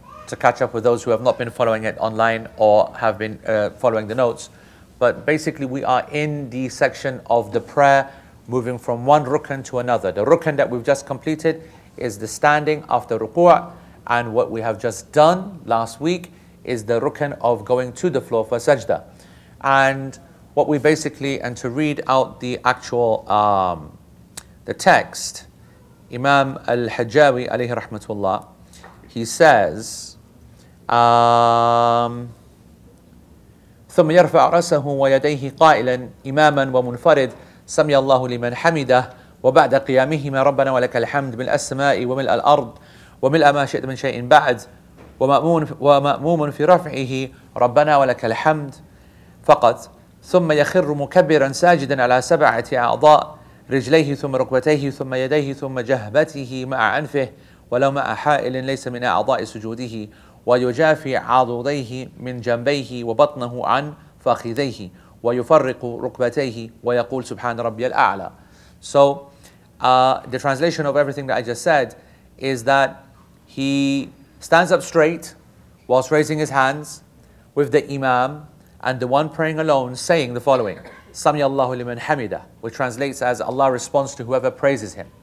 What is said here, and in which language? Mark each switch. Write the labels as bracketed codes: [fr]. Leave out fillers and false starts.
[en] To catch up with those who have not been following it online or have been following the notes. But basically we are in the section of the prayer, moving from one rukun to another. The rukun that we've just completed is the standing after ruku'ah, and what we have just done last week is the rukun of going to the floor for sajda. And what we basically, and to read out the actual the text, Imam Al-Hajjawi alayhi rahmatullah, he says, [ar] ثم يرفع رأسه ويديه قائلا إماما ومنفرد سمي الله لمن حمده وبعد قيامه من ربنا ولك الحمد من السماء وملء الأرض وملء ما شئت من شيء بعد ومأموم في رفعه ربنا ولك الحمد فقط ثم يخر مكبرا ساجدا على سبعة أعضاء رجليه ثم ركبتيه ثم يديه ثم جهبته مع أنفه ولو مع حائل ليس من أعضاء سجوده ويجافي عضديه من جنبيه وبطنه عن فخذيه ويفرق ركبتيه ويقول سبحان ربي الأعلى. [en] So the translation of everything that I just said is that he stands up straight whilst raising his hands with the imam and the one praying alone saying the following, [ar] سمي الله لمن حمده, [en] which translates as Allah responds to whoever praises him.